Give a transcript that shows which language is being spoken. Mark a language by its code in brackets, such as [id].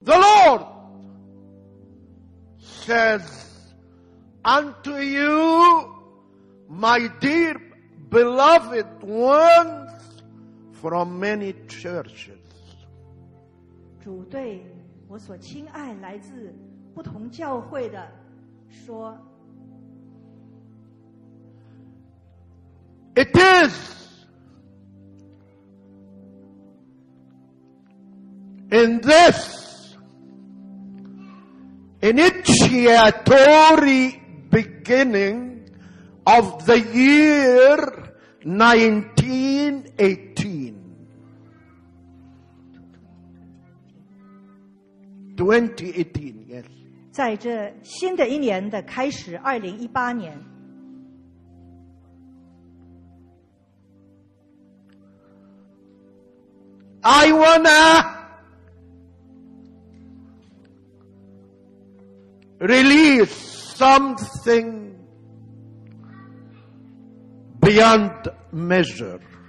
[en] The Lord says unto you, my dear beloved ones from many churches. [zh] 主对我所亲爱来自不同教会的说, [en] It is in this initiatory beginning of the year 2018, yes. [zh] 在这新的一年的开始，2018年。 [en] I wanna release something beyond measure.